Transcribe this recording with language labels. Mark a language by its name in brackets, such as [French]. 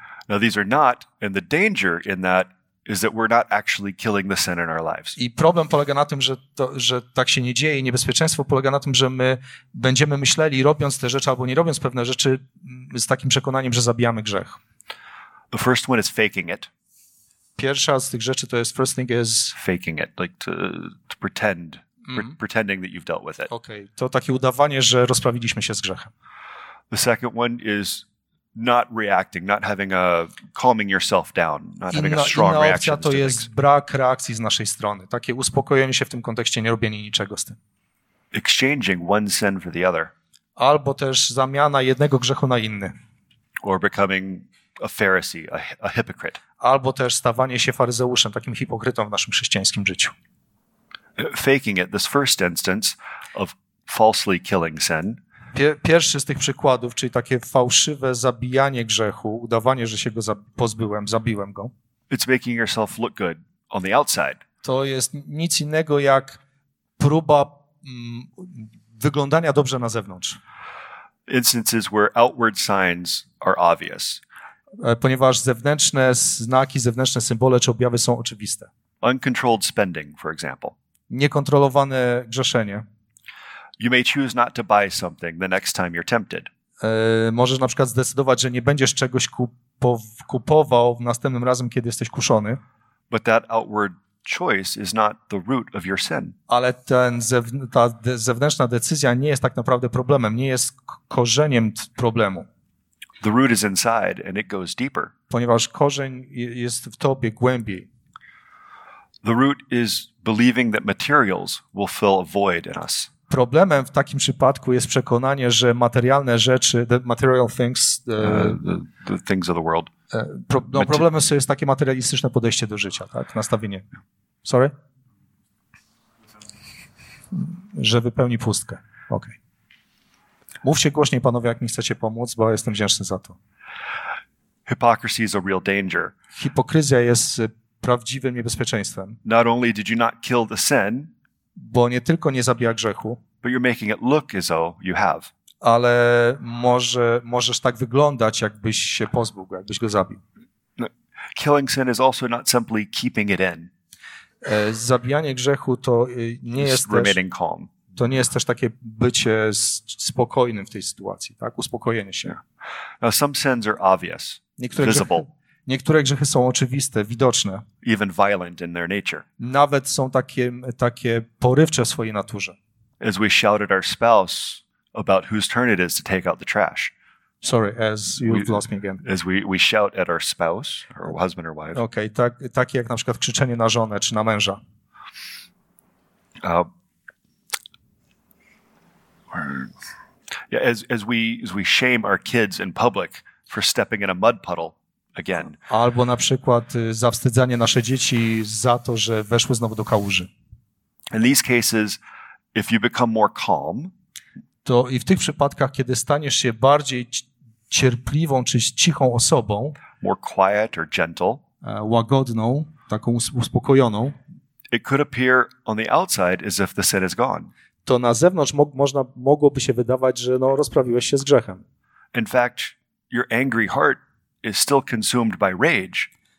[English] Now these are not, and the danger in that is that we're not actually killing the sin in our lives. [Polish] I problem polega na tym, że tak się nie dzieje. Niebezpieczeństwo polega na tym, że my będziemy myśleli, robiąc te rzeczy albo nie robiąc pewne rzeczy, z takim przekonaniem, że zabijamy grzech. [English] The first one is faking it. [Polish] Pierwsza z tych rzeczy to jest [English] first thing is faking it, like to pretend, pretending that you've dealt with it. [Polish] Okay, to takie udawanie, że rozprawiliśmy się z grzechem. [English] The second one is not reacting, not having a calming yourself down, not having a strong [Polish] inna [English] reaction. [Polish] To jest brak reakcji z naszej strony. Takie uspokojenie się w tym kontekście, nie robienie niczego z tym. [English] Exchanging one sin for the other. [Polish] Albo też zamiana jednego grzechu na inny. [English] Or becoming a Pharisee, a hypocrite. [Polish] Albo też stawanie się faryzeuszem, takim hipokrytą w naszym chrześcijańskim życiu. [English] Faking it, this first instance of falsely killing sin. [Polish] Pierwszy z tych przykładów, czyli takie fałszywe zabijanie grzechu, udawanie, że się go zabiłem go. [English] It's making yourself look good on the outside. [Polish] To jest nic innego jak próba wyglądania dobrze na zewnątrz. [English] Instances where outward signs are obvious. [Polish] Ponieważ zewnętrzne znaki, zewnętrzne symbole czy objawy są oczywiste. [English] Uncontrolled spending, for example. [Polish] Niekontrolowane grzeszenie. [English] You may choose not to buy something the next time you're tempted. [Polish] Możesz na przykład zdecydować, że nie będziesz czegoś kupował w następnym razem, kiedy jesteś kuszony. [English] But that outward choice is not the root of your sin. [Polish] Ale ta zewnętrzna decyzja nie jest tak naprawdę problemem, nie jest korzeniem problemu. [English] The root is inside and it goes deeper. [Polish] Ponieważ korzeń jest w tobie głębiej. [English] The root is believing that materials will fill a void in us. [Polish] Problemem w takim przypadku jest przekonanie, że materialne rzeczy, [English] the material things, the things of the world. [Polish] Problemem sobie jest takie materialistyczne podejście do życia, tak? Nastawienie. Sorry? Że wypełni pustkę. Okej. Okay. Mówcie głośniej, panowie, jak mi chcecie pomóc, bo jestem wdzięczny za to. [English] Hypocrisy is a real danger. [Polish] Hipokryzja jest prawdziwym niebezpieczeństwem. [English] Not only did you not kill the sin, [Polish] bo nie tylko nie zabija grzechu, [English] but you're making it look as though you have. [Polish] Ale możesz tak wyglądać, jakbyś się pozbył, jakbyś go zabił. [English] Killing sin is also not simply keeping it in. [Polish] Zabijanie grzechu to nie jest [English] just remaining calm. [Polish] To nie jest też takie bycie spokojnym w tej sytuacji, tak? Uspokojenie się. [English] Now some sins are obvious, [Polish] niektóre [English] visible. [Polish] Niektóre grzechy są oczywiste, widoczne. [English] Even violent in their nature. [Polish] Nawet są takie porywcze w swojej naturze. [English] As we shouted our spouse about whose turn it is to take out the trash. Sorry, as you've lost me again. As we shout at our spouse, or husband or wife. [Polish] Okay, tak jak na przykład krzyczenie na żonę czy na męża. [English] As we shame our kids in public for stepping in a mud puddle again. [Polish] Albo na przykład zawstydzanie nasze dzieci za to, że weszły znowu do kałuży. [English] In these cases, if you become more calm, [Polish] to i w tych przypadkach, kiedy staniesz się bardziej cierpliwą czy cichą osobą, [English] more quiet or gentle, [Polish] łagodną, taką uspokojoną, [English] it could appear on the outside as if the sin is gone. [Polish] To na zewnątrz mogłoby się wydawać, że no, rozprawiłeś się z grzechem. [English] In fact, your angry heart is still consumed by rage.